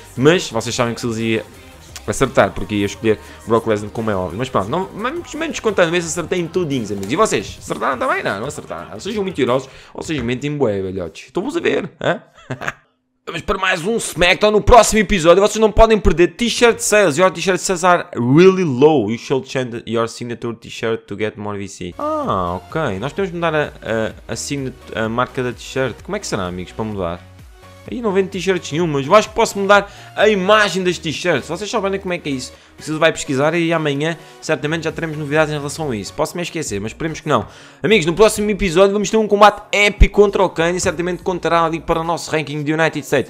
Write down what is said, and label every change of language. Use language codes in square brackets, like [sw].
[pt] Mas vocês sabem que o Silvio ia acertar, porque ia escolher o Brock Lesnar, como é óbvio. Mas pronto, menos contando, mas acertei em tudinhos, amigos. E vocês? Acertaram também? Não acertaram. Sejam mentirosos ou sejam mentimboé, velhotes. Estou-vos a ver, hã? Vamos para mais um SmackDown no próximo episódio. Vocês não podem perder t-shirt sales. [en] Your t-shirt sales are really low. You should change your signature t-shirt to get more VC. Ah, ok. [pt] Nós podemos mudar a marca da t-shirt. Como é que será, amigos, para mudar? Aí não vendo t-shirts nenhum, mas eu acho que posso mudar a imagem das t-shirts. Vocês sabem como é que é isso? Preciso vai pesquisar e amanhã certamente já teremos novidades em relação a isso. Posso me esquecer, mas esperemos que não. Amigos, no próximo episódio vamos ter um combate épico contra o Kane e certamente contará ali para o nosso ranking de United States.